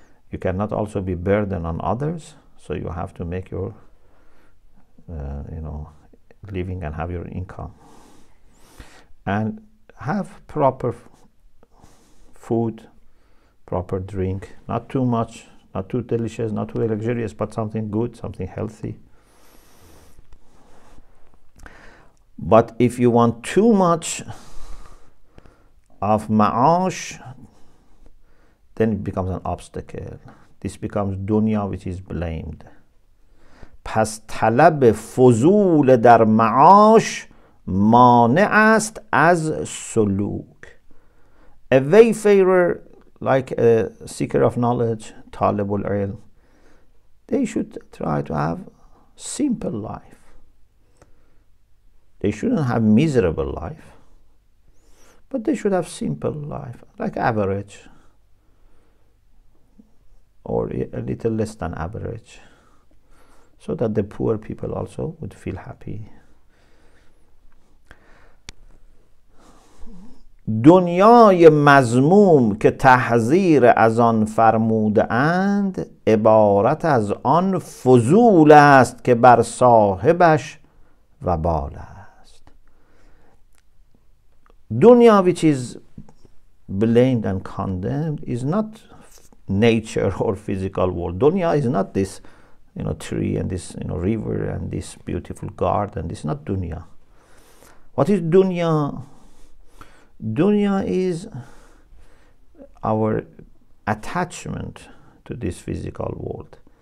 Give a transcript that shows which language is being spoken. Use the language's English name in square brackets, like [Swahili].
[English] You cannot also be burden on others. So you have to make your living and have your income and have proper food, proper drink, not too much, not too delicious, not too luxurious, but something good, something healthy. But if you want too much of ma'ash, then it becomes an obstacle. This becomes dunya, which is blamed. [Persian] پس طلب فضول در معاش مانع است از سلوک. [English] A wayfarer, like a seeker of knowledge, [Arabic] طالب العلم, [English] they should try to have simple life. They shouldn't have miserable life, but they should have simple life, like average, or a little less than average, so that the poor people also would feel happy. [Persian] دنیای مذموم که تحذیر از آن فرمودند عبارت از آن فضول است که بر صاحبش وبال است. [English] دنیا which is blamed and condemned is not nature or physical world. دنیا is not this, you know, tree and this, you know, river and this beautiful garden. This is not دنیا. What is دنیا? Dunya is our attachment to this physical world.